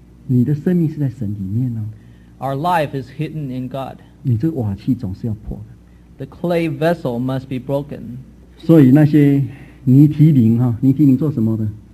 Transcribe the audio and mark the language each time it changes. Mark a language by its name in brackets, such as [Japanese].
[Chinese] 你的生命是在神里面哦。 [English] Our life is hidden in God. [Chinese] 你这瓦器总是要破的。 [English] The clay vessel must be broken. [Chinese] 所以那些泥提林哈，泥提林做什么的？